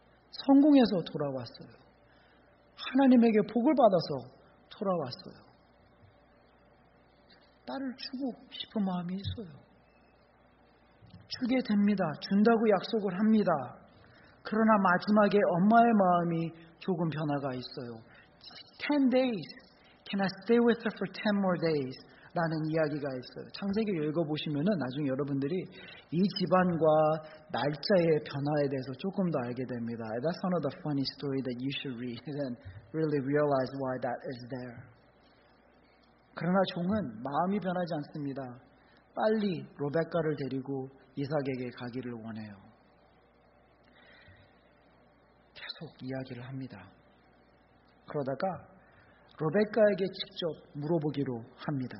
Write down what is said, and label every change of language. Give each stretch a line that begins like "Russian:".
Korean: 성공해서 돌아왔어요. 하나님에게 복을 받아서 돌아왔어요. 딸을 주고 싶은 마음이 있어요. 주게 됩니다. 준다고 약속을 합니다. 그러나 마지막에 엄마의 마음이 조금 변화가 있어요.
English: 10 days. Can I stay with her for 10 more days?
Korean: 라는 이야기가 있어요. 창세기를 읽어보시면 나중에 여러분들이 이 집안과 날짜의 변화에 대해서 조금 더 알게 됩니다.
English: That's one of the funny stories that you should read and really realize why that is there.
Korean: 그러나 종은 마음이 변하지 않습니다. 빨리 로베카를 데리고 이삭에게 가기를 원해요. 계속 이야기를 합니다. 그러다가 로베카에게 직접 물어보기로 합니다.